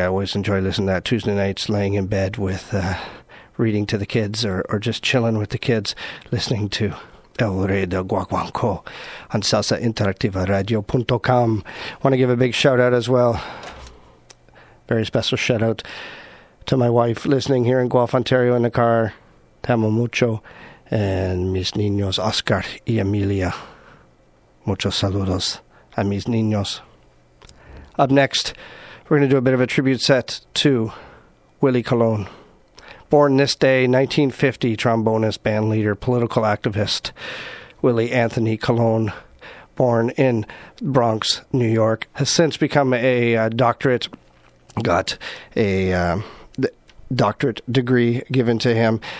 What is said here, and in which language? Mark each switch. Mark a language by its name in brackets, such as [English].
[English] I always enjoy listening to that Tuesday nights, laying in bed with reading to the kids or just chilling with the kids, listening to El Rey del Guaguanco on Salsa Interactiva Radio.com. Want to give a big shout out as well. Very special shout out to my wife listening here in Guelph, Ontario, in the car. [Spanish] Te amo mucho. And mis niños, Oscar y Emilia. Muchos saludos a mis niños. [English] Up next, we're going to do a bit of a tribute set to Willie Colon. Born this day, 1950, trombonist, band leader, political activist, Willie Anthony Colon, born in Bronx, New York, has since become a doctorate, got a doctorate degree given to him.